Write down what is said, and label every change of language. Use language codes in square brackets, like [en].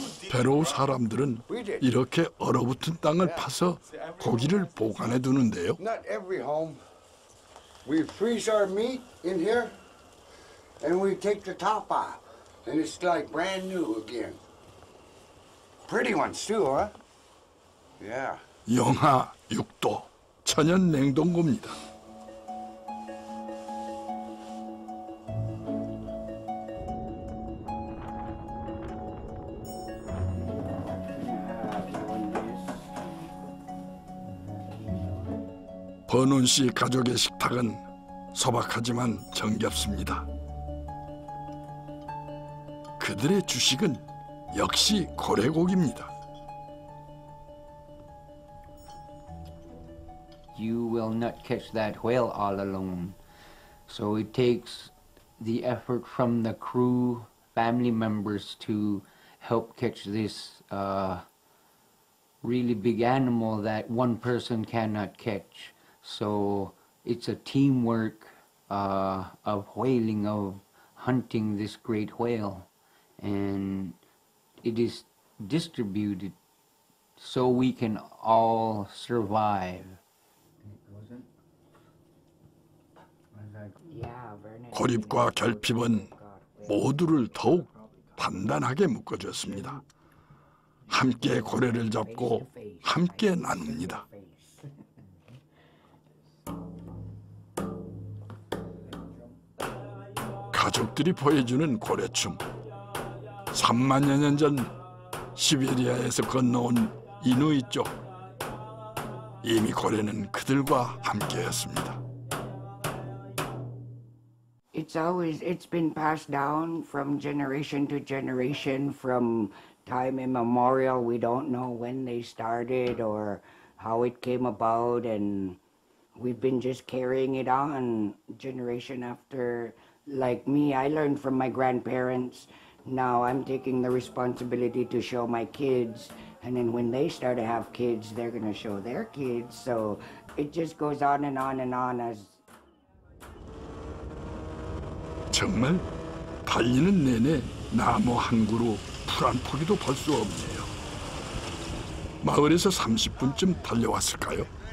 [ko] 페루 사람들은 이렇게 얼어붙은 땅을 파서 고기를 보관해 두는데요. [en] We freeze our meat in here, and we take the top off, and it's like brand new again. Pretty ones too, huh? Yeah. [ko] 영하 6도, 천연 냉동고입니다. 버논 씨 가족의 식탁은 소박하지만 정겹습니다. 그들의 주식은 역시 고래고기입니다. [en] You will not catch that whale all alone. So it takes the effort from the crew, family members to help catch this really big animal that one person cannot catch. So it's a teamwork of whaling, of hunting this great whale. And it is distributed so we can all survive. [ko] 고립과 결핍은 모두를 더욱 단단하게 묶어줬습니다. 함께 고래를 잡고 함께 나눕니다. 가족들이 보여주는 고래춤. 3만여 년 전 시베리아에서 건너온 이누이족. 이미 고래는 그들과 함께였습니다. [en] It's always it's been passed down from generation to generation from time immemorial. We don't know when they started or how it came about, and we've been just carrying it on generation after. Like me, I learned from my grandparents. Now I'm taking the responsibility to show my kids. And then when they start to have kids, they're going to show their kids. So it just goes on and on and on as. [ko] 정말 달리는 내내 나무 한 그루 풀 한 포기도 볼 수 없네요. 마을에서 30분쯤 달려왔을까요?